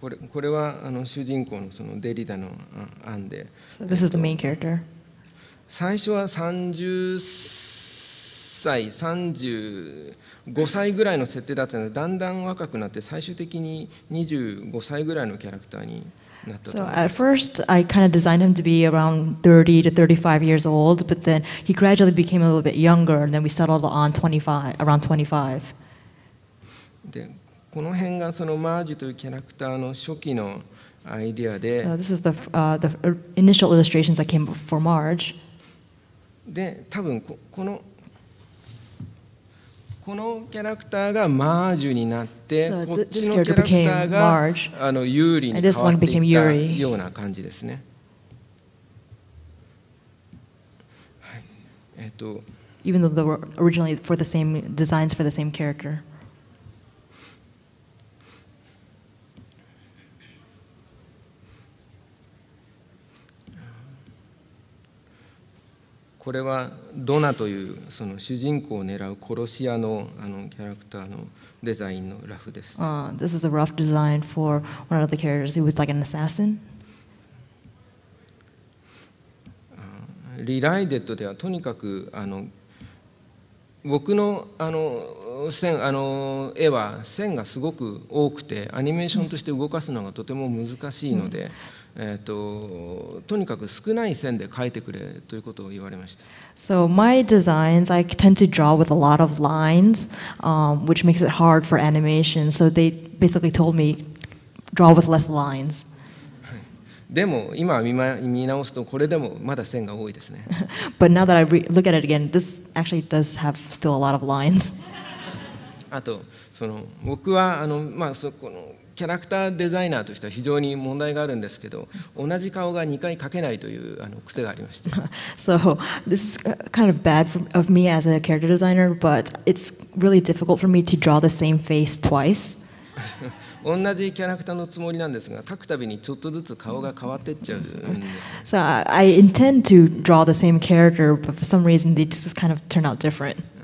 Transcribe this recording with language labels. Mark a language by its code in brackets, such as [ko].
[ja] これはあの主人公 の, そのデリダの案で、 [en] so this is the main character. [ja] 最初は35歳ぐらいの設定だったので、だんだん若くなって最終的に25歳ぐらいのキャラクターになったと。 [en] So at first I kind of designed him to be around 30 to 35 years old, but then he gradually became a little bit younger and then we settled on 25, around 25. [ja] でこの辺がそのマージュというキャラクターの初期のアイデアで、 [en] So this is the, the initial illustrations that came for Marge. [ja] で多分 このキャラクターがマージュになって、 [en] so、 [ja] こっちのキャラクターが [en] Marge, [ja] あのユーリに変わっていったような感じですね。はい、 [en] Even though they were originally for the same designs for the same character. [ja] これはドナというその主人公を狙う殺し屋 の, あのキャラクターのデザインのラフです。 [en] This is a rough design for one of the characters who was like an assassin. [ja] リライデッドではとにかくあの僕 の, あ の, 線あの絵は線がすごく多くてアニメーションとして動かすのがとても難しいので、mm-hmm. とにかく少ない線で描いてくれということを言われました。 [en] So my designs, I tend to draw with a lot of lines, which makes it hard for animation. So they basically told me, draw with less lines. [ja] でも今見直すとこれでもまだ線が多いですね。 [en] But now that I look at it again, this actually does have still a lot of lines. [ja] あとその僕はあのまあそこのキャラクターデザイナーとしては非常に問題があるんですけど、同じ顔が2回描けないというあの癖がありました。 [en] So this is kind of bad of me as a character designer, but it's really difficult for me to draw the same face twice. [ja] 同じキャラクターのつもりなんですが、描くたびにちょっとずつ顔が変わってっちゃう。 [en] So I intend to draw the same character, but for some reason they just kind of turn out different.